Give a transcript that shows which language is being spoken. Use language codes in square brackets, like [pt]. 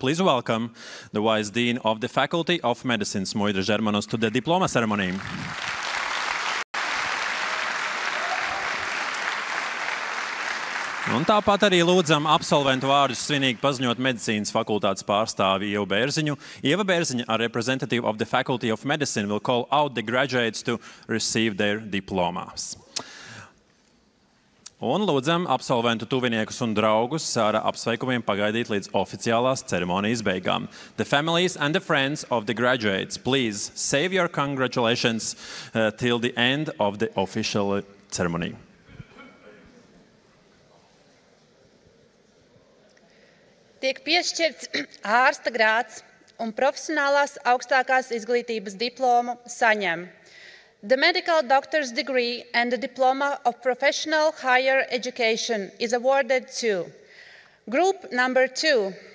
[en] Please welcome the Vice Dean of the Faculty of Medicine, Smuidru Žermanos, to the diploma ceremony. [lv] Un tāpat arī lūdzam absolventu vārdus svinīgi paziņot medicīnas fakultātes pārstāvi Ieva Bērziņu. [en] Ieva Bērziņa, a representative of the Faculty of Medicine, will call out the graduates to receive their diplomas. [lv] Un lūdzam absolventu tuviniekus un draugus ar apsveikumiem pagaidīt līdz oficiālās ceremonijas beigām. [en] The families and the friends of the graduates, please save your congratulations till the end of the official ceremony. [lv] Tiek piešķirts ārsta grāds un profesionālās augstākās izglītības diplomu saņem. [en] The medical doctor's degree and the diploma of professional higher education is awarded to group number 2.